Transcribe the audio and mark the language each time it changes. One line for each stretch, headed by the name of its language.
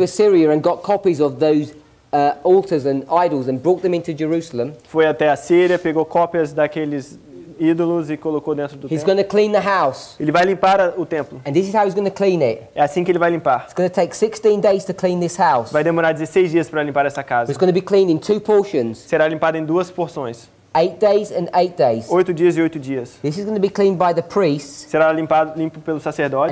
English: Went to Assyria and got copies of those altars and idols and brought them into Jerusalem.
Portuguese: Foi até a Síria, pegou cópias daqueles ídolos e colocou dentro do templo.
English: He's going to clean the house.
Portuguese: Ele vai limpar o templo.
English: And this is how he's going to clean it.
Portuguese: É assim que ele vai limpar.
English: It's going to take 16 days to clean this house.
Portuguese: Vai demorar 16 dias para limpar essa casa.
English: It's going to be cleaned in two portions.
Portuguese: Será limpado em duas porções.
English: 8 days and 8 days.
Portuguese: 8 dias e 8 dias.
English: This is going to be cleaned by the priests.
Portuguese: Será limpado limpo pelos sacerdotes.